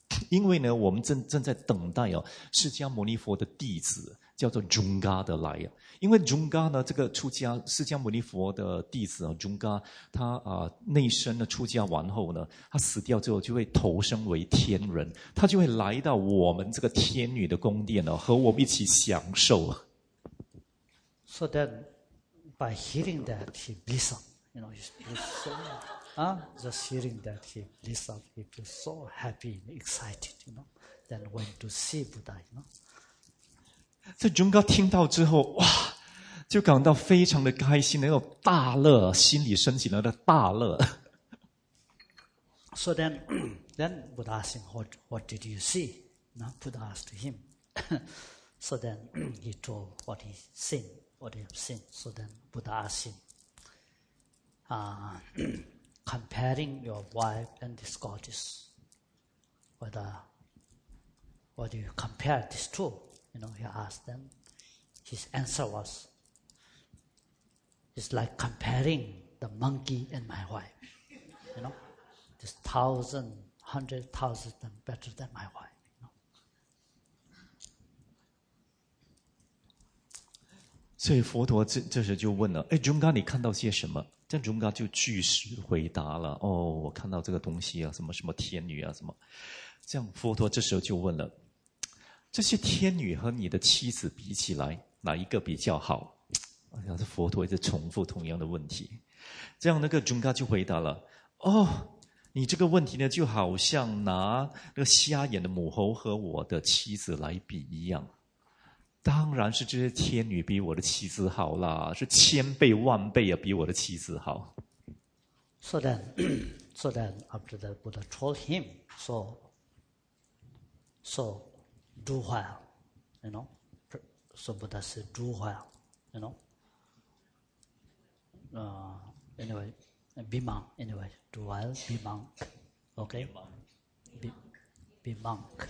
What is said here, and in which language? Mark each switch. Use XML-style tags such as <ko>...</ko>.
<zh>因为呢，我们正在等待哦，释迦牟尼佛的弟子叫做中嘎的来呀，因为中嘎呢，这个出家释迦牟尼佛的弟子啊，中嘎他内身呢出家完后呢，他死掉之后就会投生为天人，他就会来到我们这个天女的宫殿呢，和我们一起享受。</zh> <en>So then, by hearing that, he bliss up. You know, he's so, just hearing that, he bliss up. He feels so happy and excited, you know. Then went to see Buddha, you know. 这中嘎听到之后，哇，就感到非常的开心，那种大乐，心里升起了的大乐。 So then, then Buddha asked him, what did you see? Now Buddha asked him. So then, he told what he seen. What he have seen. So then Buddha asked him, comparing your wife and this goddess, what do you compare these two? You know, he asked them. His answer was, it's like comparing the monkey and my wife. You know, this thousand, hundred thousand them better than my wife.</en> <zh>所以佛陀 这时就问了，诶，中嘎你看到些什么？这中嘎就据实回答了，哦，我看到这个东西啊，什么什么天女啊什么。这样佛陀这时候就问了，这些天女和你的妻子比起来，哪一个比较好？这佛陀一直重复同样的问题。这样那个中嘎就回答了，哦，你这个问题呢，就好像拿那个瞎眼的母猴和我的妻子来比一样。当然是这些天女比我的妻子好啦，是千倍万倍啊，比我的妻子好。</zh> <en>So then, after that, Buddha told him, so So, Duhua, you know? So Buddha said Duhua, you know? Anyway, Bimang, anyway, Duhua, Bimang, okay? Bimang.</en>